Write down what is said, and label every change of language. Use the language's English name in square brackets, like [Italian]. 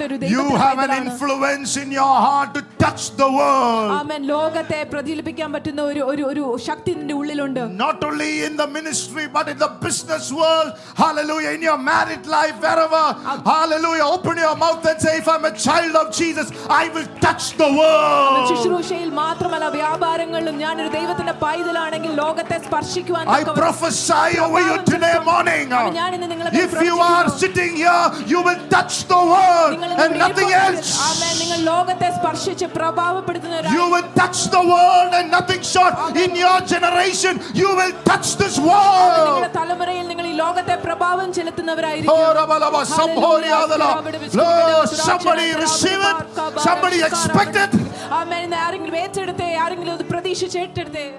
[English] You have an influence in your heart to touch the world. Amen. [Malayalam] ലോകത്തെ പ്രതിലപിക്കാൻ പറ്റുന്ന ഒരു ഒരു ഒരു ശക്തി നിന്റെ ഉള്ളിലുണ്ട്. [English] Not only in the ministry but in the business world. Hallelujah. In your married life, wherever. Hallelujah. Open your mouth and say, if I'm a child of Jesus, I will touch the world. [Malayalam] ശുശ്രൂഷയിൽ മാത്രമല്ല വ്യാപാരങ്ങളിലും ഞാൻ ഒരു ദൈവത്തിന്റെ പൈതലാണെങ്കിൽ ലോകത്തെ സ്പർശിക്കുവാൻ [English] I prophesy over you today morning. If you are sitting here, you will touch the world and nothing else. Amen. [Malayalam] നിങ്ങൾ ലോകത്തെ സ്പർശിച്ച് പ്രഭാവപ്പെടുത്തുന്ന ഒരാൾ. [English] You will touch the world and nothing short. In your generation you will touch this world. [Malayalam] നിങ്ങളുടെ തലമുറയിൽ നിങ്ങൾ ഈ ലോകത്തെ പ്രഭാവം ചെലുത്തുന്നവരായിരിക്കും. [English] Oh rabalaba samhoriyadala. Somebody receive it. Somebody expect it. Amen. [Malayalam] ആരെങ്കിലും ഏറ്റെടുത്തെ ആരെങ്കിലും അത് പ്രതീക്ഷിച്ച് ഏറ്റെടുത്തെ.